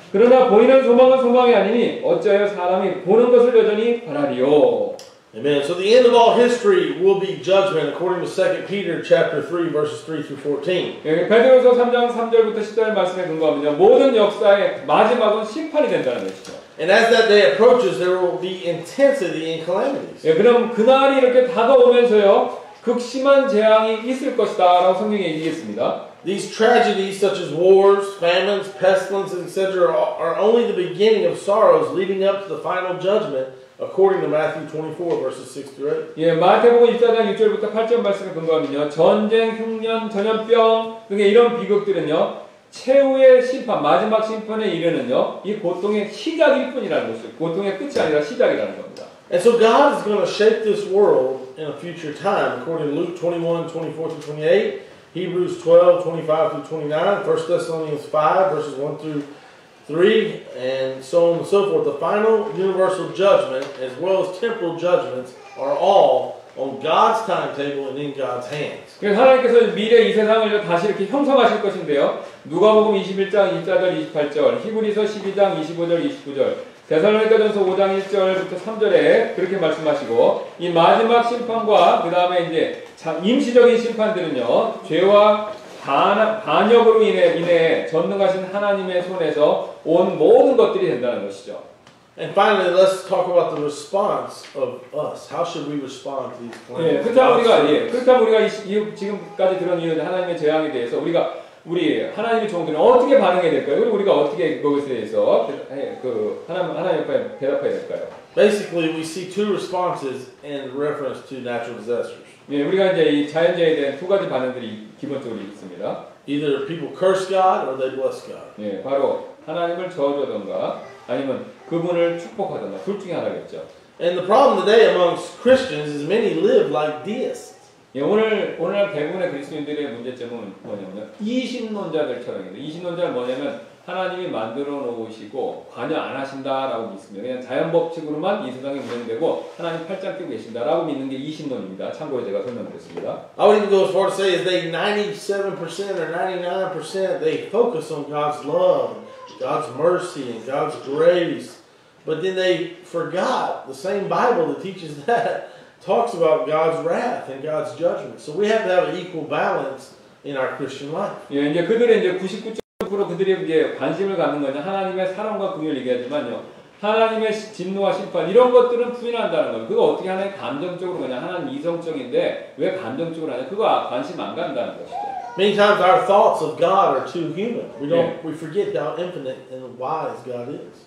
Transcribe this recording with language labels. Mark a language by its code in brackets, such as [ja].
[ko] 그러나 보이는 소망은 소망이 아니니 어찌하여 사람이 보는 것을 여전히 바라리요. [en] Amen. So the end of all history will be judgment according to 2 Peter chapter 3 verses 3 through 14. [ko] 예, 베드로서 3장 3절부터 10절 말씀에 근거하면요. 모든 역사의 마지막은 심판이 된다는 것이죠. [en] And as that day approaches there will be intensity in calamities. [ko] 예, 그럼 그날이 이렇게 다가오면서요. 극심한 재앙이 있을 것이다라고 성경이 얘기했습니다. [en] These tragedies such as wars, famines, pestilences, etc. are only the beginning of sorrows leading up to the final judgment. According to Matthew 24 verses 6 through 8. [ko] 예, 마태복음 1장 6절부터 8절 말씀에 근거하면요. 전쟁, 흉년, 전염병 등의 이런 비극들은요. 최후의 심판, 마지막 심판에 이르는요. 이 고통의 시작일 뿐이라는 것을. 고통의 끝이 아니라 시작이라는 겁니다. [en] And so God is going to shape this world in a future time according to Luke 21 24 to 28, Hebrews 12 25 through 29, 1 Thessalonians 5 verses 1 through 3 and so on and so forth. The final universal judgment as well as temporal judgments are all on God's timetable and in God's hands. [ko] 하나님께서 미래 이 세상을 다시 이렇게 형성하실 것인데요. 누가복음 21장 1절 28절, 히브리서 12장 25절 29절, 데살로니가전서 5장 1절부터 3절에 그렇게 말씀하시고 이 마지막 심판과 그다음에 이제 임시적인 심판들은요. 죄와 반역으로 인해 전능하신 하나님의 손에서 온 모든 것들이 된다는 것이죠. [en] And finally, let's talk about the response of us. How should we respond to these plagues? [ko] 예, 그렇다면 우리가 지금까지 들은 이 하나님의 재앙에 대해서 우리 하나님의 종들은 어떻게 반응해야 될까요? 우리가 어떻게 거기에 대해서 하나님께 대답해야 될까요? [en] Basically, we see two responses in reference to natural disasters. [ko] 예, 우리가 이제 이 자연재해에 대한 두 가지 반응들이 기본적으로 있습니다. [en] Either people curse God or they bless God. [ko] 예, 바로 하나님을 저주하던가 아니면 그분을 축복하던가 둘 중에 하나겠죠. [en] And the problem today amongst Christians is many live like deists. [ko] 예, 오늘 대부분의 그리스도인들의 문제점은 뭐냐면 이신론자들처럼입니다. 이신론자는 뭐냐면 하나님이 만들어 놓으시고 관여 안 하신다라고 믿습니다. 그냥 자연 법칙으로만 이 세상이 운영되고 하나님 팔짱 끼고 계신다라고 믿는 게 이신론입니다. 참고로 제가 설명드렸습니다. [en] I would even go as far to say is they 97% or 99% they focus on God's love, God's mercy, and God's grace. But then they forgot the same Bible that teaches that talks about God's wrath and God's judgment. So we have to have an equal balance in our Christian life. [ko] 예, 이제 그들은 이제 99% 그로 그들이 이제 관심을 갖는 거냐 하나님의 사랑과 긍휼을 얘기하지만요 하나님의 진노와 심판 이런 것들은 부인한다는 거예요. 그거 어떻게 하나님 감정적으로 그냐 하나님 이성적인데 왜 감정적으로 하냐 그거 관심 안 간다는 것이죠. [en] Many times our thoughts of God are too human. We don't 예. we forget how infinite and wise God is.